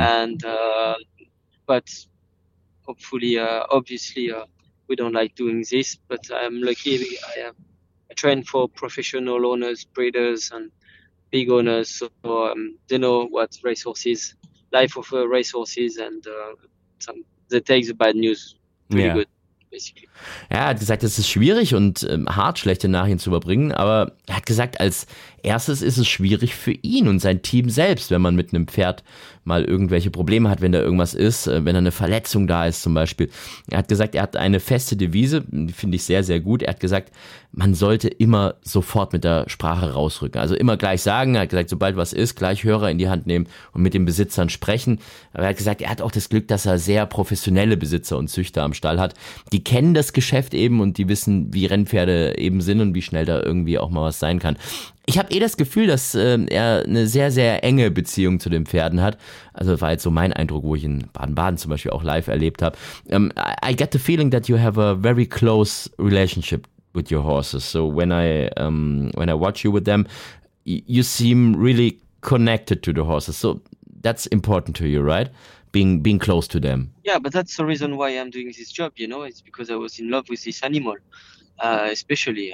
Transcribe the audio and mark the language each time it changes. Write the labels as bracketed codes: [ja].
[en] And but hopefully, obviously, we don't like doing this. But I'm lucky. I train for professional owners, breeders, and big owners. So they know what racehorses, life of a racehorse is, and they take the bad news pretty good. [de] Ja, er hat gesagt, es ist schwierig und hart, schlechte Nachrichten zu überbringen, aber er hat gesagt, als erstes ist es schwierig für ihn und sein Team selbst, wenn man mit einem Pferd mal irgendwelche Probleme hat, wenn da irgendwas ist, wenn da eine Verletzung da ist zum Beispiel. Er hat gesagt, er hat eine feste Devise, die finde ich sehr, sehr gut. Er hat gesagt, man sollte immer sofort mit der Sprache rausrücken. Also immer gleich sagen, er hat gesagt, sobald was ist, gleich Hörer in die Hand nehmen und mit den Besitzern sprechen. Aber er hat gesagt, er hat auch das Glück, dass er sehr professionelle Besitzer und Züchter am Stall hat. Die kennen das Geschäft eben und die wissen, wie Rennpferde eben sind und wie schnell da irgendwie auch mal was sein kann. Ich habe eh das Gefühl, dass er eine sehr, sehr enge Beziehung zu den Pferden hat. Also das war jetzt so mein Eindruck, wo ich in Baden-Baden zum Beispiel auch live erlebt habe. [en] I get the feeling that you have a very close relationship with your horses. So when I watch you with them, you seem really connected to the horses. So that's important to you, right? Being close to them. Yeah, but that's the reason why I'm doing this job, you know. It's because I was in love with this animal, especially.